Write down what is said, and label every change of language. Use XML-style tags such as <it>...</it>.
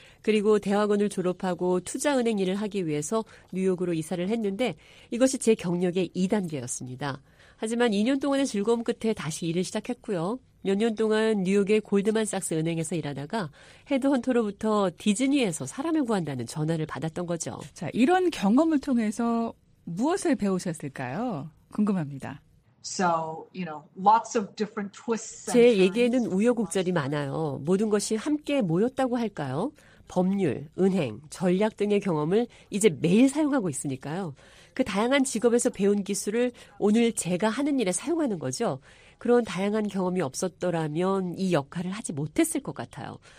<ko>그리고 대학원을 졸업하고 투자은행 일을 하기 위해서 뉴욕으로 이사를 했는데 이것이 제 경력의 2단계였습니다. 하지만 2년 동안의 즐거움 끝에 다시 일을 시작했고요. 몇 년 동안 뉴욕의 골드만삭스 은행에서 일하다가 헤드헌터로부터 디즈니에서 사람을 구한다는 전화를 받았던 거죠. 자, 이런 경험을 통해서 무엇을 배우셨을까요? 궁금합니다.</ko> <en>So, you know, lots of different twists and turns.</en> <ko>제 얘기에는 우여곡절이 많아요. 모든 것이 함께 모였다고 할까요? 법률, 은행, 전략 등의 경험을 이제 매일 사용하고 있으니까요. 그 다양한 직업에서 배운 기술을 오늘 제가 하는 일에 사용하는 거죠. 그런 다양한 경험이 없었더라면 이 역할을 하지 못했을 것 같아요.</ko>